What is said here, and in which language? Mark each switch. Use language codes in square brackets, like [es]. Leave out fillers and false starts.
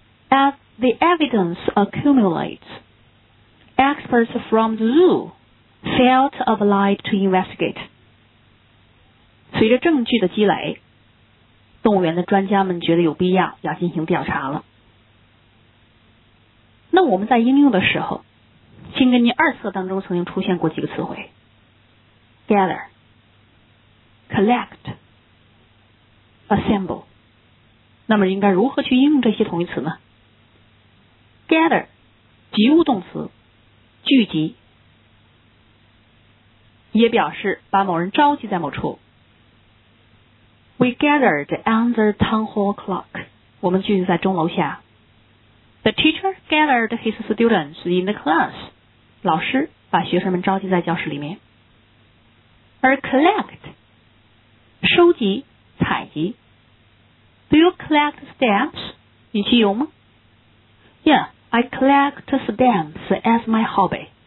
[en] as the evidence accumulates experts from the zooFelt obliged to investigate. [zh] 随着证据的积累，动物园的专家们觉得有必要要进行调查了。那我们在应用的时候，新根尼二册当中曾经出现过几个词汇 ：gather, collect, assemble。那么应该如何去应用这些同义词呢 ？Gather, 及物动词，聚集。也表示把某人召集在某处。 [en] We gathered under town hall clock. [zh] 我们聚集在钟楼下。 [en] The teacher gathered his students in the class. [zh] 老师把学生们召集在教室里面。而 collect, 收集、采集。 [en] Do you collect stamps? [zh] 你集邮吗 [en] ？Yeah, I collect stamps as my hobby.